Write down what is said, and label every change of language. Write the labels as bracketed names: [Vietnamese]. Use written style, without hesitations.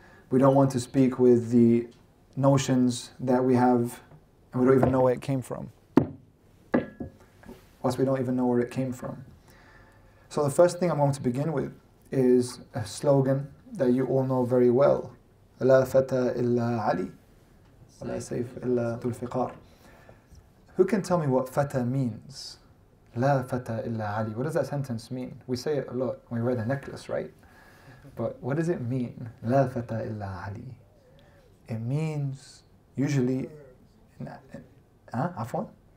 [English] We don't want to speak with the notions that we have, and we don't even know where it came from. Plus, we don't even know where it came from. So the first thing I'm going to begin with is a slogan that you all know very well. [Arabic] لا فتى إلا علي ولا سيف إلا ذو الفقار. [English] Who can tell me what fata means? [Arabic] La fata illa Ali. [English] What does that sentence mean? We say it a lot when we wear the necklace, right? But what does it mean? [Arabic] La fata illa Ali. [English] It means usually, Afwan?